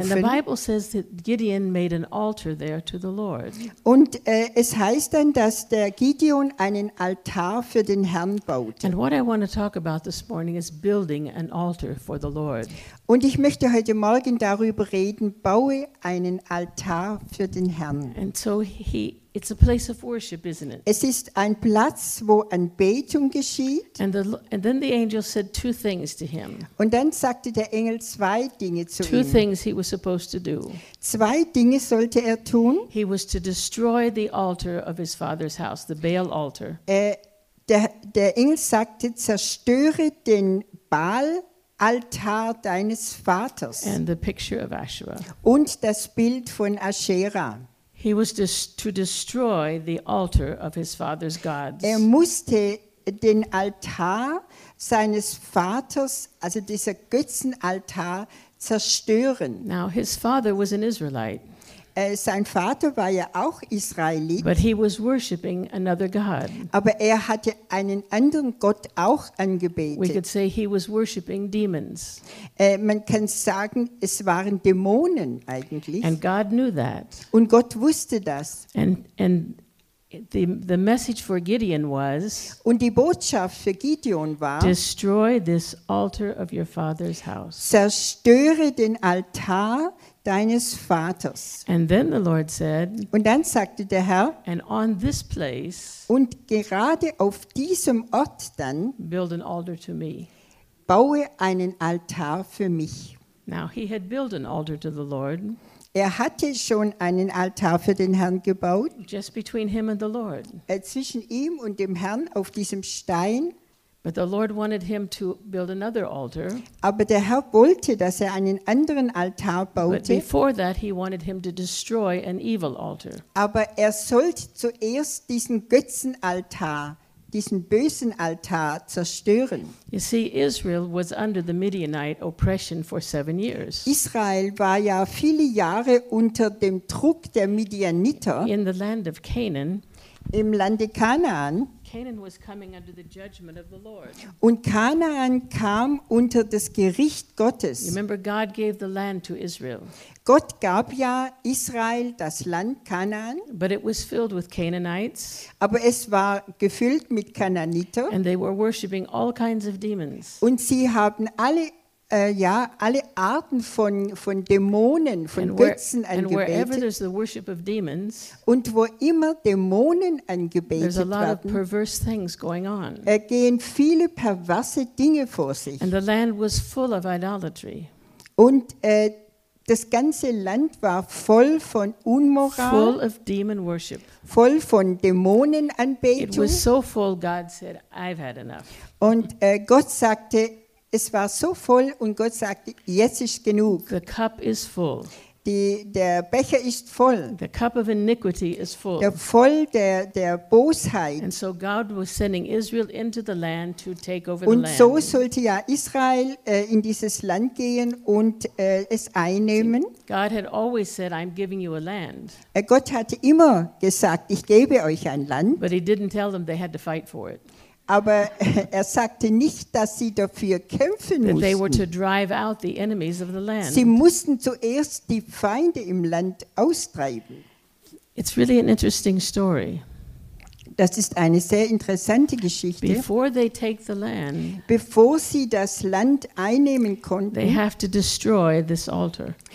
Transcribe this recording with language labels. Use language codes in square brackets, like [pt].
[en] And the Bible says that Gideon made an altar there to the Lord. [de] Und es heißt dann, dass der Gideon einen Altar für den Herrn baute. [en] And what I want to talk about this morning is building an altar for the Lord. [de] Und ich möchte heute Morgen darüber reden, baue einen Altar für den Herrn. [en] And so it's a place of worship, isn't it? [de] Es ist ein Platz, wo Anbetung geschieht. [en] And then the angel said two things to him. [de] Und dann sagte der Engel zwei Dinge zu ihm. [en] Two things he was supposed to do. [de] Zwei Dinge sollte er tun. [en] He was to destroy the altar of his father's house, the Baal altar. [de] Der Engel sagte, zerstöre den Baal-Altar deines Vaters. [en] And the picture of Asherah. [de] Und das Bild von Asherah. [en] He was to destroy the altar of his father's gods. [de] Er musste den Altar seines Vaters, also dieser Götzenaltar, zerstören. [en] Now his father was an Israelite. [de] Sein Vater war ja auch Israelit. [en] But he was worshiping another god. [de] Aber er hatte einen anderen Gott auch angebetet. [en] We could say he was worshiping demons. [de] Man kann sagen, es waren Dämonen eigentlich. [en] And God knew that. [de] Und Gott wusste das. [en] And the message for Gideon was, [de] und die Botschaft für Gideon war, [en] destroy this altar of your father's house. [de] Zerstöre den Altar deines Vaters. [en] And then the Lord said, [de] und dann sagte der Herr, [en] and on this place, [de] und gerade auf diesem Ort dann, [en] build an altar to me. [de] Baue einen Altar für mich. [en] Now he had built an altar to the Lord. [de] Er hatte schon einen Altar für den Herrn gebaut. [en] Just between him and the Lord. [de] Zwischen ihm und dem Herrn auf diesem Stein. [en] But the Lord wanted him to build another altar. [de] Aber der Herr wollte, dass er einen anderen Altar baute. [en] But before that, he wanted him to destroy an evil altar. [de] Aber er sollte zuerst diesen Götzenaltar, diesen bösen Altar zerstören. [en] You see, Israel was under the Midianite oppression for 7 years. [de] Israel war ja viele Jahre unter dem Druck der Midianiter. [en] In the land of Canaan. [de] Im Lande Kanaan. [en] Canaan was coming under the judgment of the Lord. [de] Und Kanaan kam unter das Gericht Gottes. [en] Remember, God gave the land to Israel. [de] Gott gab ja Israel das Land Kanaan. [en] But it was filled with Canaanites. [de] Aber es war gefüllt mit Kananiter. [en] And they were worshiping all kinds of demons. [de] Und sie haben alle Arten von Dämonen, von Götzen angebetet. Und wo immer Dämonen angebetet werden, gehen viele perverse Dinge vor sich. [en] And the land was full of idolatry. [de] Und das ganze Land war voll von Unmoral, [en] full of demon worship. [de] Voll von Dämonenanbetung. [en] It was so full, God said, I've had enough. [de] Und Gott sagte, es war so voll und Gott sagte, jetzt ist genug. [en] The cup is full. [de] Der Becher ist voll. [en] The cup of iniquity is full. [de] Der voll der Bosheit. [en] And so God was sending Israel into the land to take over [de] und [en] the land. [de] Und so sollte ja Israel in dieses Land gehen und es einnehmen. [en] God had always said, I'm giving you a land. [de] Gott hatte immer gesagt, ich gebe euch ein Land. [en] But he didn't tell them they had to fight for it. [de] Aber er sagte nicht, dass sie dafür kämpfen mussten. [en] They were to drive out the enemies of the land. [de] Sie mussten zuerst die Feinde im Land austreiben. [en] It's really an interesting story. [de] Das ist eine sehr interessante Geschichte. [en] Before they take the land, [de] bevor sie das Land einnehmen konnten, [en] they have to destroy this altar.